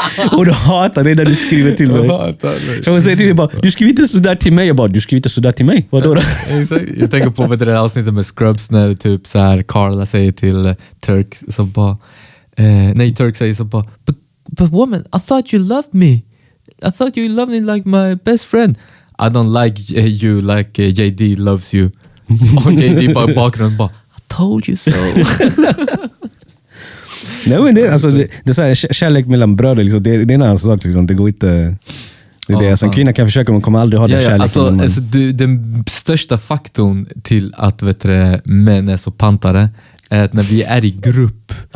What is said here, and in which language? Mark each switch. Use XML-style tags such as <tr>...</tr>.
<sv>Hon hatar dig när du skriver till mig. Hatar dig. Så hon säger till mig, bara, du skriver inte sådär till mig. Jag bara, du skriver inte sådär till mig. Vadå då? Jag tänker på det där avsnittet med Scrubs när typ så här Carla säger till Turk som bara, nej, Turk säger så bara,</sv> <en>but woman, I thought you loved me. I thought you loved me like my best friend. I don't like you like JD loves you.</en> <sv>Och JD bara bakgrunden bara,</sv> <en>I told you so.</en> <sv>Nej, men det, alltså, det är så här, kärlek mellan bröder, liksom, det är en annan sak. Liksom. Det går inte... Det är det. Alltså, en kvinna kan försöka, men kommer aldrig ha den kärleken. Alltså, den största faktorn till att män är så pantare är att när vi är i grupp...</sv>